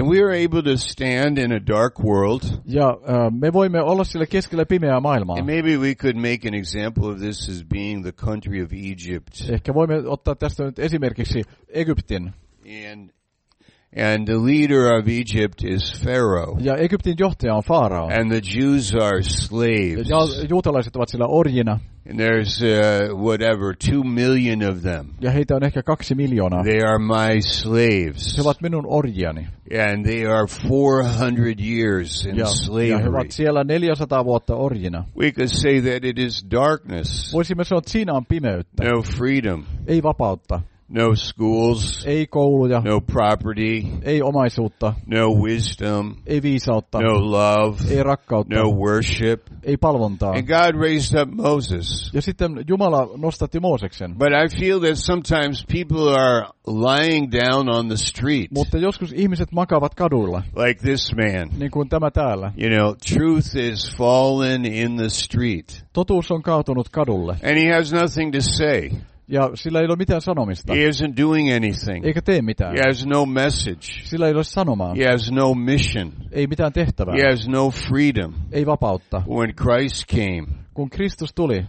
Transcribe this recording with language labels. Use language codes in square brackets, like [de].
[en] And we are able to stand in a dark world. [fi] Ja me voimme olla sillä keskellä pimeää maailmaa. [en] And maybe we could make an example of this as being the country of Egypt. [fi] Ehkä voimme ottaa tästä nyt esimerkiksi Egyptin. [en] And the leader of Egypt is Pharaoh. [fi] Ja Egyptin johtaja on Faarao. [en] And the Jews are slaves. [fi] Ja juutalaiset ovat siellä orjina. [en] And there's whatever 2 million of them. [fi] Ja heitä on ehkä 2 miljoonaa. [en] They are my slaves. [fi] He ovat minun orjiani. [en] And they are 400 years in slavery. [fi] Ja he ovat siellä 400 vuotta orjina. [en] We could say that it is darkness. [fi] Voisimme sanoa, että siinä on pimeyttä. [en] No freedom. [fi] Ei vapautta. [en] No schools. [fi] Ei kouluja. [en] No property. [fi] Ei omaisuutta. [en] No wisdom. [fi] Ei viisautta. [en] No love. [fi] Ei rakkautta. [en] No worship. [fi] Ei palvontaa. [en] And God raised up Moses. [fi] Ja sitten Jumala nostatti Mooseksen. [en] But I feel that sometimes people are lying down on the street. [fi] Mutta joskus ihmiset makaavat kaduilla. [en] Like this man. [fi] Niin kuin tämä täällä. [en] You know, truth is fallen in the street. [fi] Totuus on kaatunut kadulle. [en] And he has nothing to say. [fi] Ja sillä ei ole mitään sanomista. [en] He isn't doing anything. [fi] Eikä tee mitään. [en] He has no message. [fi] Sillä ei ole sanomaa. [en] He has no mission. [fi] Ei mitään tehtävää. [en] He has no freedom. [fi] Ei vapautta. [en] When Christ came. [fi] Kun Kristus tuli.